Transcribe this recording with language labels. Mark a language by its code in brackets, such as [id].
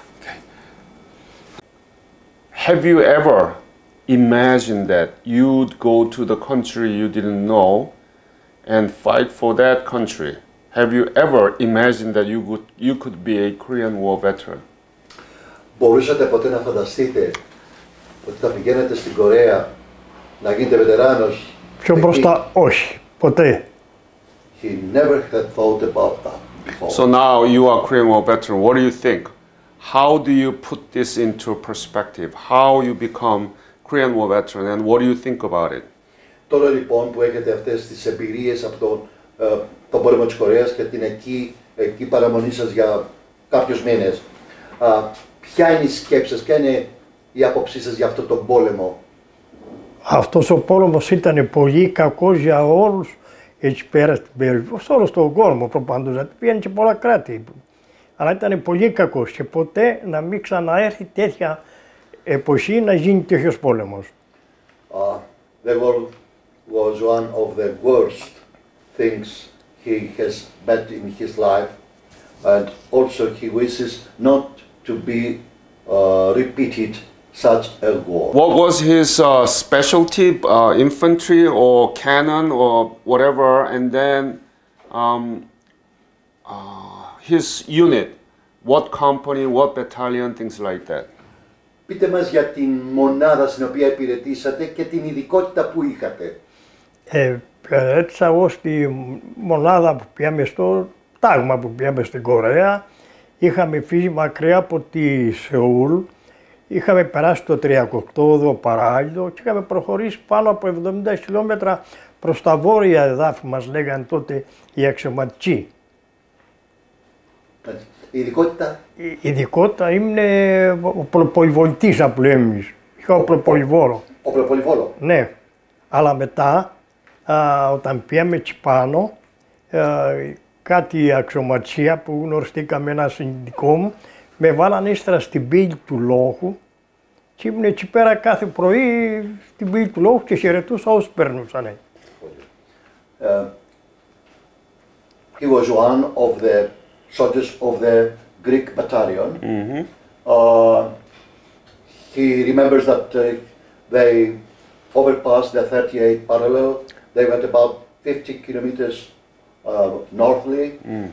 [en] Okay. Have you ever imagined that you'd go to the country you didn't know and fight for that country? Have you ever imagined that you could be a Korean War veteran? [el] Μπορούσατε ποτέ να φανταστείτε ότι θα πηγαίνετε στην Κορέα να γίνετε βετεράνος? Πιο μπροστά, όχι, ποτέ. [en] He never had thought about that before. So now you are Korean War veteran. What do you think? How do you put this into perspective? How you become Korean War veteran and what do you think about it? [el] Τώρα λοιπόν που έχετε αυτές τις εμπειρίες από τον πόλεμο της Κορέας και την εκεί παραμονή σας για κάποιους μήνες, ποια είναι η σκέψη σας, ποια είναι η άποψή σας για αυτό τον πόλεμο? Αυτός ο πόλεμος ήταν πολύ κακός για όλους εκεί πέρα στην περιοχή, σε όλο τον κόσμο προπάντως, γιατί πήγαινε και πολλά κράτη. Αλλά ήταν πολύ κακός και ποτέ να μην ξαναέρθει τέτοια εποχή να γίνει τέτοιος πόλεμος. [en] The war was one of the worst things he has met in his life, and also he wishes not to be repeated such a war. What was his specialty, infantry or cannon or whatever, and then his unit, what company, what battalion, things like that? [el] Πείτε μας για την μονάδα στην οποία υπηρετήσατε και την ειδικότητα που είχατε. Υπηρετήσα ως τη μονάδα που πήγαμε στο τάγμα που πήγαμε στην Κορέα. Είχαμε φύγει μακριά από τη Σεούλ. Είχαμε περάσει το 38ο παράλληλο και είχαμε προχωρήσει πάνω από 70 χιλιόμετρα προς τα βόρεια εδάφη, μας λέγανε τότε οι αξιωματικοί. ειδικότητα. Ειδικότητα είμαι ο προπολιβολητής, που λέμε. Είχα ο προπολιβόλο. Ο προπολιβόλο. Ναι. Αλλά μετά, όταν πήγαμε εκεί πάνω, κάτι αξιωματία που γνωριστήκαμε ένα συνειδικό μου, με βάλαν ύστερα στην πύλη του λόγου. Και ήμουν εκεί πέρα κάθε πρωί στην πύλη του λόγου και χαιρετούσα όσους περνούσαν. [en] He was one of the soldiers of the Greek battalion. Mm-hmm. He remembers that they overpassed the 38 parallel. They went about 50 kilometers northly. Mm.